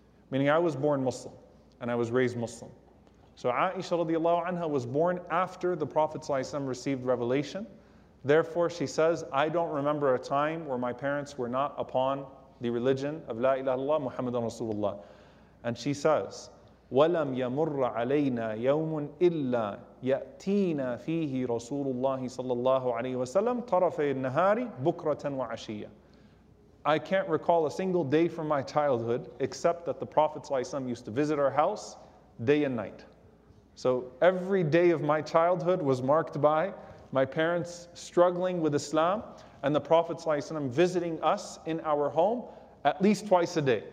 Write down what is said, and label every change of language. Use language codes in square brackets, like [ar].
[en] Meaning I was born Muslim and I was raised Muslim. So Aisha radiallahu anha was born after the Prophet ﷺ received revelation. Therefore, she says, I don't remember a time where my parents were not upon the religion of La ilaha illallah Muhammadan Rasulullah. And she says, [ar] وَلَمْ يَمُرَّ عَلَيْنَا يَوْمٌ إِلَّا يَأْتِينَا فِيهِ رَسُولُ اللَّهِ صَلَّى اللَّهُ عَلَيْهِ وَسَلَّمْ طَرَفَي النَّهَارِ بُكْرَةً وَعَشِيَّةً. [en] I can't recall a single day from my childhood except that the Prophet ﷺ used to visit our house day and night. So every day of my childhood was marked by my parents struggling with Islam and the Prophet ﷺ visiting us in our home at least twice a day.